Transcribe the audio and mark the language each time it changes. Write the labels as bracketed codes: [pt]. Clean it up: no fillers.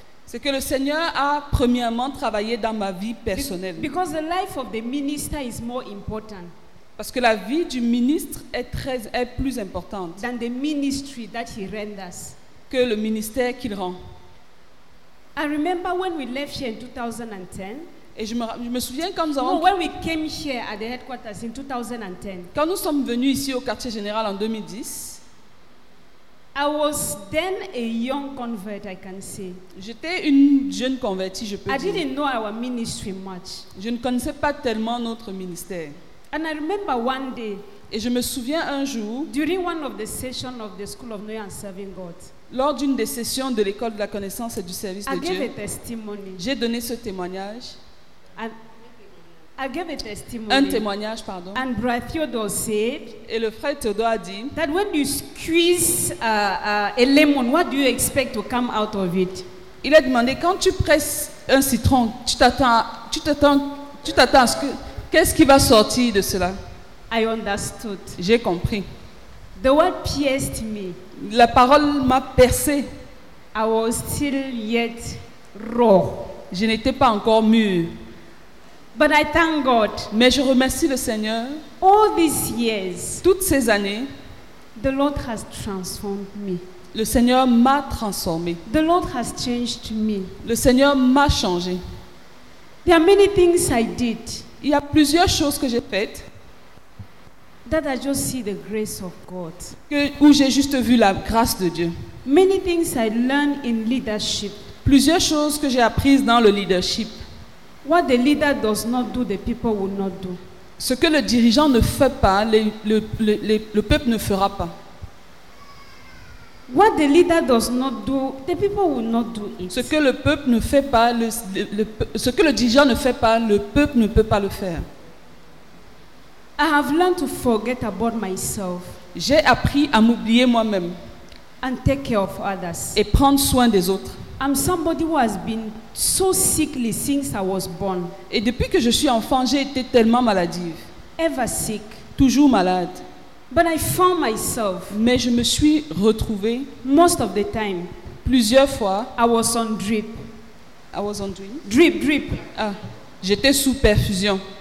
[fr] C'est que le Seigneur a premièrement travaillé dans ma vie personnelle. [en] Because the life of the minister is more important. [fr] Parce que la vie du ministre est très est plus importante [en] than the ministry that he renders. [fr] Que le ministère qu'il rend. [en] I remember when we left here in 2010. [fr] Et je me souviens quand nous avons [en] when we came here at the headquarters in 2010. [fr] Quand nous sommes venus ici au quartier général en 2010. [en] I was then a young convert, I can say. [fr] J'étais une jeune convertie, je peux [en] dire. I didn't know our ministry much. [fr] Je ne connaissais pas tellement notre ministère. [en] And I remember one day. [fr] Et je me souviens un jour. [en] During one of the sessions of the School of Knowing and Serving God. [fr] Lors d'une des sessions de l'école de la connaissance et du service [en] I gave [fr] Dieu. [en] A testimony. [fr] J'ai donné ce témoignage. [en] I gave a testimony. [fr] Un témoignage, pardon. [en] And Brother Theodore said. [fr] Et le frère Theodore a dit. [en] That when you squeeze a lemon, what do you expect to come out of it? [fr] Il a demandé quand tu presses un citron, tu t'attends à ce que qu'est-ce qui va sortir de cela? [en] I understood. [fr] J'ai compris. [en] The word pierced me. [fr] La parole m'a percé. [en] I was still yet raw. [fr] Je n'étais pas encore mûr. [en] But I thank God. [fr] Mais je remercie le Seigneur. [en] All these years. [fr] Toutes ces années. [en] The Lord has transformed me. [fr] Le Seigneur m'a transformé. [en] The Lord has changed me. [fr] Le Seigneur m'a changé. [en] There are many things I did. [fr] Il y a plusieurs choses que j'ai faites. [en] That I just see the grace of God. [fr] Où j'ai juste vu la grâce de Dieu. [en] Many things I learned in leadership. [fr] Plusieurs choses que j'ai apprises dans le leadership. [en] What the leader does not do, the people will not do. [fr] Ce que le dirigeant ne fait pas, le peuple ne fera pas. [en] What the leader does not do, the people will not do it. [fr] Ce que le peuple ne fait pas, ce que le dirigeant ne fait pas, le peuple ne peut pas le faire. [en] I have learned to forget about myself. [fr] J'ai appris à m'oublier moi-même. [en] And take care of others. [fr] Et prendre soin des autres. [en] I'm somebody who has been so sickly since I was born. [fr] Et depuis que je suis enfant, j'ai été tellement maladive. [en] Ever sick. [fr] Toujours malade. [en] But I found myself. [fr] Mais je me suis retrouvée. [en] Most of the time. [fr] Plusieurs fois. [en] I was on drip. I was on drip. Drip, drip. [fr] Ah, j'étais sous perfusion.